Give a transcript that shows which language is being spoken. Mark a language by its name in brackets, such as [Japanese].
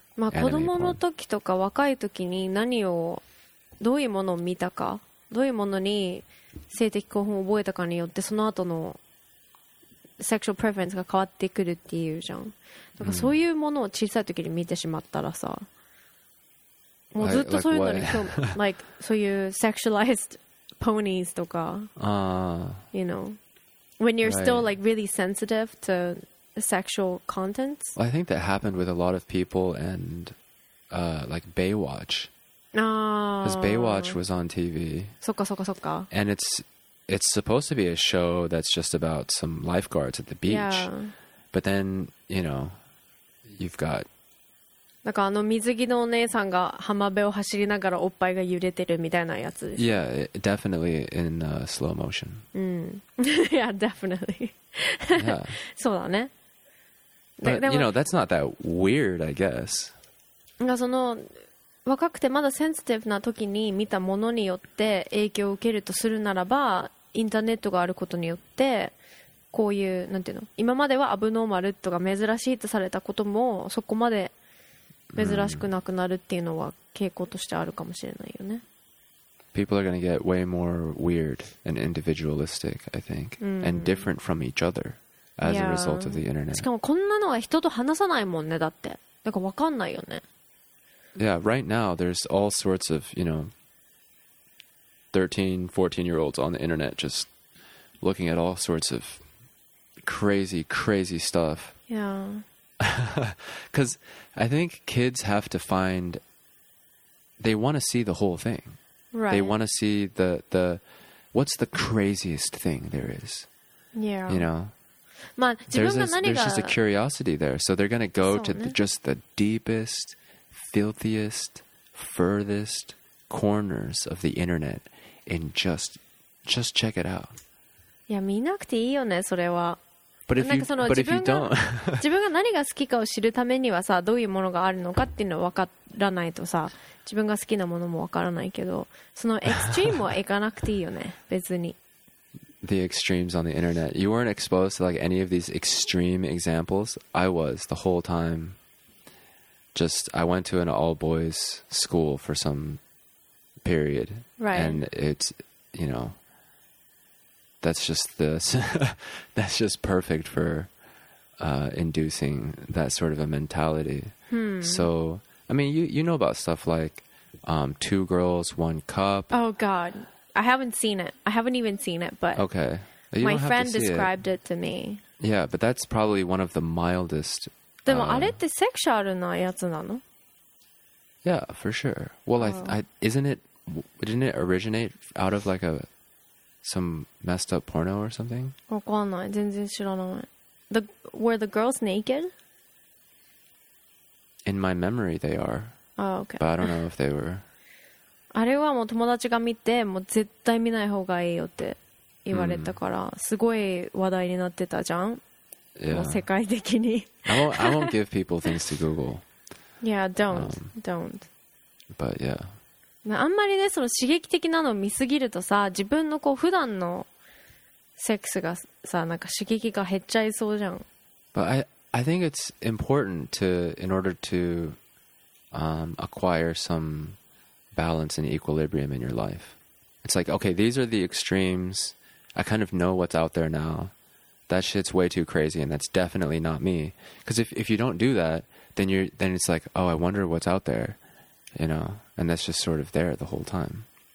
[Japanese] まあ、子どもの時とか若い時に何をどういうものを見たか、どういうものに性的興奮を覚えたかによってその後のセクシュアルプレフェレンスが変わってくるっていうじゃん。だからそういうものを小さい時に見てしまったらさ、もうずっとそういうのに興味、like そういうセクシュアライズドポニーズとか、 [English] you know. When you're still like really sensitive to sexual contents? Well, I think that happened with a lot of people and like Baywatch. Because Baywatch was on TV. [Japanese] そっかそっかそっか。 [English] And it's supposed to be a show that's just about some lifeguards at the beach. Yeah. But then, you know, you've got... [Japanese] なんかあの水着のお姉さんが浜辺を走りながらおっぱいが揺れてるみたいなやつ。 [English] Yeah, definitely in slow motion. Yeah, definitely. [Japanese] そうだね。 [English] But you know, that's not that weird, I guess. [Japanese] なんかその若くてまだセンシティブな時に見たものによって影響を受けるとするならば、インターネットがあることによってこういうなんていうの、今まではアブノーマルとか珍しいとされたこともそこまで珍しくなくなるっていうのは傾向としてあるかもしれないよね。 [English] People are gonna get way more weird and individualistic, I think,、and different from each other as a result of the internet. [Japanese] しかもこんなのは人と話さないもんね、だって。だから分かんないよね。 [English] Yeah, right now there's all sorts of, you know, 13, 14 year olds on the internet just looking at all sorts of crazy, crazy stuff. Yeah. Because I think kids have to find, they want to see the whole thing. Right. They want to see the what's the craziest thing there is. Yeah. You know? [Japanese] まあ、 [English] there's just a curiosity there. So they're going to go to just the deepest, filthiest, furthest corners of the internet and just check it out. [Japanese] Yeah, 見なくていいよね、それは。 [English] But if you, but if you don't, [Japanese] 自分が何が好きかを知るためにはさ、どういうものがあるのかっていうのを分からないとさ、自分が好きなものも分からないけど、そのエクストリームは行かなくていいよね、別に。 [English] The extremes on the internet. You weren't exposed to like any of these extreme examples. I was the whole time. Just, I went to an all boys school for some period. Right. And it's, you know,That's just this. That's just perfect for inducing that sort of a mentality. So, I mean, you know about stuff like two girls, one cup. Oh God, I haven't seen it. I haven't even seen it. But okay, my friend described it to me. Yeah, but that's probably one of the mildest. [Japanese] でもあれってセクシュアルなやつなの? [English] Yeah, for sure. Well, didn't it originate out of like a. Some messed up porno or something? [Japanese] わかんない。全然知らない。 [English] Were the girls naked? In my memory, they are. Oh, okay. But I don't know if they were. [Japanese] あれはもう友達が見て、もう絶対見ない方がいいよって言われたから、すごい話題になってたじゃん。 [English] Yeah. [Japanese] もう世界的に。 [English] I won't give people things to Google. Yeah, don't. Don't. But yeah. [Japanese] あんまりね、その刺激的なのを見すぎるとさ、自分のこう普段のセックスがさ、なんか刺激が減っちゃいそうじゃん。 [English] But I think it's important to, in order to, acquire some balance and equilibrium in your life. It's like, okay, these are the extremes. I kind of know what's out there now. that shit's way too crazy, and that's definitely not me. Because if you don't do that, then it's like, oh, I wonder what's out there, you know, and that's just sort of there the whole time.